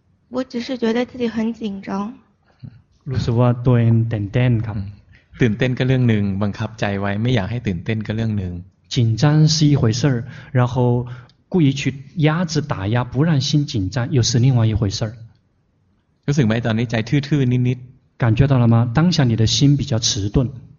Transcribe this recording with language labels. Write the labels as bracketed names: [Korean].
[Chinese] 我只是觉得自己很紧张 [Thai] รู้สึกว่าตัวเองตื่นเต้นครับ ตื่นเต้นก็เรื่องหนึ่งบังคับใจไว้ไม่อยากให้ตื่นเต้นก็เรื่องหนึ่ง [Chinese] 紧张是一回事儿然后故意去压制打压不让心紧张又是另外一回事儿 [Thai] รู้สึกไหมตอนนี้ใจทื่อๆนิด [Chinese] ๆ感觉到了吗当下你的心比较迟钝